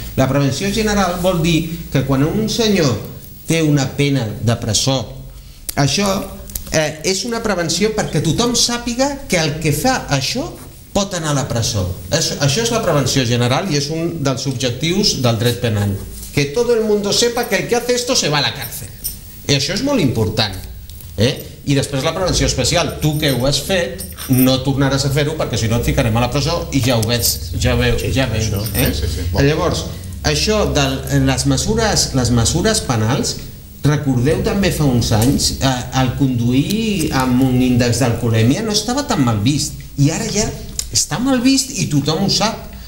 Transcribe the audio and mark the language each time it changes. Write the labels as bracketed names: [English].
[Catalan] La prevenció general vol dir que quan un senyor té una pena de presó, això és una prevenció perquè tothom sàpiga que el que fa això pot anar a la presó. Això és la prevenció general i és un dels objectius del dret penal. [Spanish] que todo el mundo sepa que el que hace esto se va a la cárcel. [Catalan] I això és molt important, eh? I després la prevenció especial, tu que ho has fet, no tornaràs a fer-ho perquè si no et ficarem a la presó i ja ho veus, ja veus, sí, ja veus, no? Eh? Sí, sí, sí. Llavors, això de les mesures penals, recordeu també fa uns anys, el conduir amb un índex d'alcoholèmia no estava tan mal vist i ara ja està mal vist i tothom ho sap.